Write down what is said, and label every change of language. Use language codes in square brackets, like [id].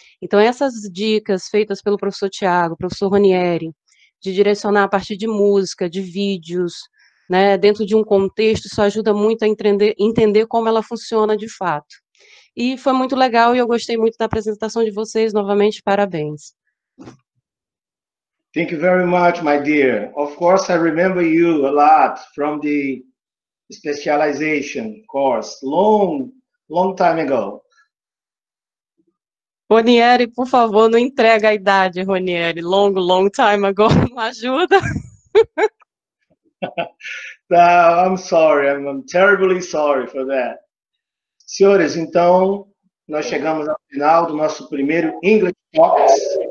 [pt] Então, essas dicas feitas pelo professor Tiago, professor Ranieri, de direcionar a partir de música, de vídeos, né, dentro de um contexto, isso ajuda muito a entender como ela funciona de fato. E foi muito legal e eu gostei muito da apresentação de vocês. Novamente, parabéns. [en] Thank you very much, my dear. Of course, I remember you a lot from the specialization course, long, long time ago. [pt] Ranieri, por favor, não entrega a idade, Ranieri. [en] Long, long time ago, [pt] não ajuda. [en] I'm sorry, I'm terribly sorry for that. [pt] Senhores, então, nós chegamos ao final do nosso primeiro English Talks.